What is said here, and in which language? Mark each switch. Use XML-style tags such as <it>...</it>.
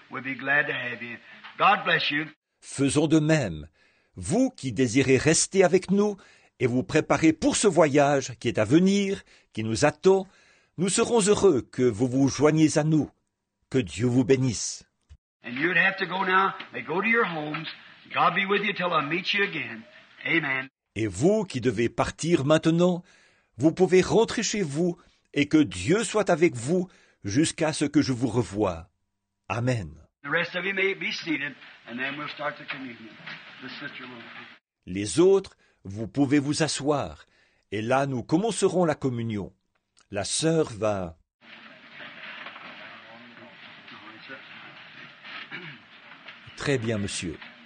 <en>We'll be glad to have you. God bless you.</en> <fr>Faisons de même. Vous qui désirez rester avec nous et vous préparer pour ce voyage qui est à venir, qui nous attend, nous serons heureux que vous vous joigniez à nous. Que Dieu vous bénisse.</fr> <en>And you'd have to go now. They go to your homes. God be with you till I meet you again. Amen.</en> <fr>Et vous qui devez partir maintenant, vous pouvez rentrer chez vous et que Dieu soit avec vous jusqu'à ce que je vous revoie.</fr> <en>Amen. The rest of you may be seated, and then we'll start the communion. The sister will.</en> <fr>Les autres, vous pouvez vous asseoir, et là nous commencerons la communion. La sœur va. Très bien, monsieur.</fr>